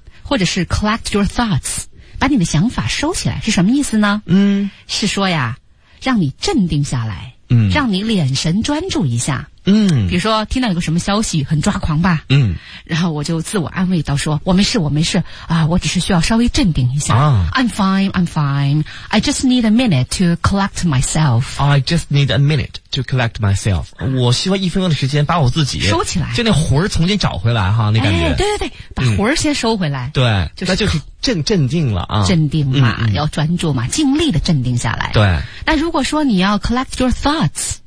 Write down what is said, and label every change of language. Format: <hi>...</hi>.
<zh>或者是</zh> <en>collect your thoughts，</en> <zh>把你的想法收起来，是什么意思呢？是说呀，让你镇定下来，让你眼神专注一下，比如说听到有个什么消息很抓狂吧，然后我就自我安慰到说，我没事，我没事啊，我只是需要稍微镇定一下、啊、</zh> <en>I'm fine, I just need a minute to collect myself. I just need a minute to collect myself.</en> <zh>我需要一分钟的时间把我自己收起来，就那魂儿重新找回来哈，那感觉。哎、对对对，把魂儿先收回来。对，那就是镇定了啊。镇定嘛，要专注嘛，尽力的镇定下来。对。那如果说你要</zh> <en>collect your thoughts。</en>